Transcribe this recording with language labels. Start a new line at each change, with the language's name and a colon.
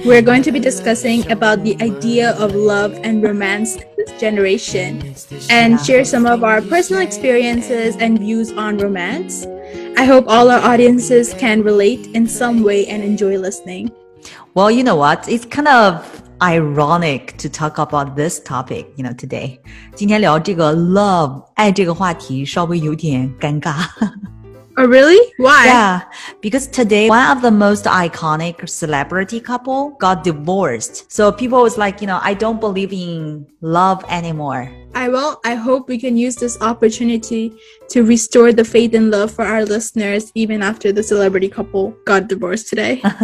English: We're going to be discussing about the idea of love and romance this generation and share some of our personal experiences and views on romance. I hope all our audiences can relate in some way and enjoy listening. Well, you know what? It's kind of ironic to talk about this topic, you know, today.
Chinese: 今天聊这个 love, 爱这个话题稍微有点尴尬。
English: Oh, really? Why? Yeah, because today one of the most iconic celebrity couple got divorced. So people was like, you know, I don't believe in love anymore. I hope we can use this opportunity to restore the faith in love for our listeners even after the celebrity couple got divorced today.